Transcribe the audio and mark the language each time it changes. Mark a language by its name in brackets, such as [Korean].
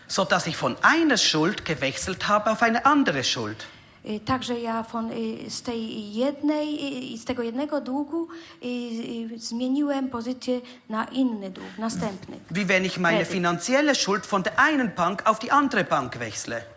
[German] So dass ich von einer Schuld gewechselt habe auf eine andere Schuld. [Polish] Także ja z tego jednego długu zmieniłem pozycję na inny dług, następny. [German] Wie wenn ich meine finanzielle Schuld von der einen Bank auf die andere Bank wechsle.